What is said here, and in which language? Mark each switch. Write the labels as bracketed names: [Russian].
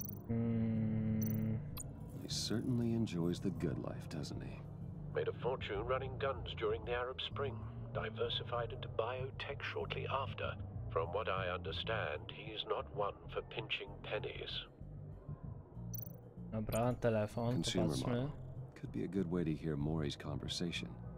[English] He certainly enjoys the good life, doesn't he? Made a fortune running guns during the Arab Spring. Diversified into biotech shortly after. From what I understand, he's not one for pinching pennies. [Polish] Dobra, telefon, popatrzmy. [English] Could be a good way to hear Maury's conversation.